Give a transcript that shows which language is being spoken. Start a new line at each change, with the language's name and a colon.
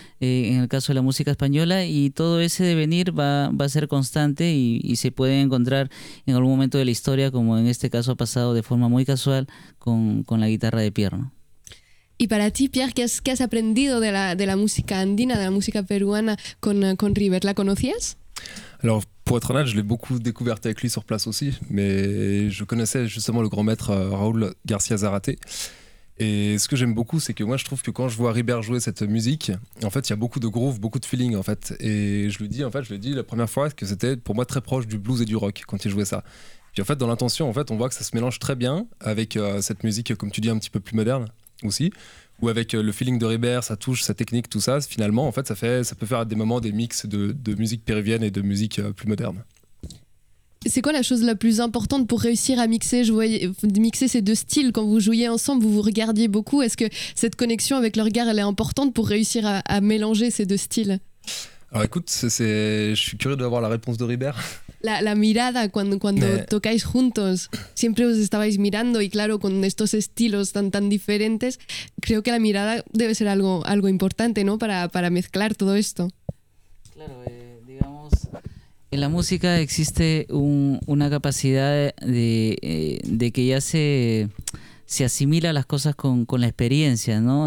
Spanish: En el caso de la música española, y todo ese devenir va a ser constante y se puede encontrar en algún momento de la historia, como en este caso ha pasado de forma muy casual con la guitarra de Pierre, ¿no? Y para ti, Pierre, ¿qué has aprendido de la música andina, de la música peruana con River? ¿La conocías?
French: Alors, pour être honnête, je l'ai beaucoup découverte avec lui sur place aussi, mais je connaissais justement le grand maître Raúl García Zárate. Et ce que j'aime beaucoup, c'est que moi, je trouve que quand je vois River jouer cette musique, en fait, il y a beaucoup de groove, beaucoup de feeling, en fait. Et je lui dis la première fois que c'était pour moi très proche du blues et du rock quand il jouait ça. Puis en fait, dans l'intention, en fait, on voit que ça se mélange très bien avec cette musique, comme tu dis, un petit peu plus moderne aussi, ou avec le feeling de River, sa touche, sa technique, tout ça. Finalement, en fait, ça peut faire à des moments des mix de musique péruvienne et de musique plus moderne. C'est quoi la chose la plus importante pour réussir à mixer ces deux styles? Quand vous jouiez ensemble, vous vous regardiez beaucoup. Est-ce que cette connexion avec le regard, elle est importante pour réussir à mélanger ces deux styles? Alors écoute, c'est, je suis curieux d'avoir la réponse de Ribert.
Spanish: La mirada cuando tocáis juntos, siempre os estabais mirando, y claro, con estos estilos tan tan diferentes, creo que la mirada debe ser algo importante, ¿no? Para mezclar todo esto. Claro, digamos. En la música existe una capacidad de que ya se asimila las cosas con la experiencia, ¿no?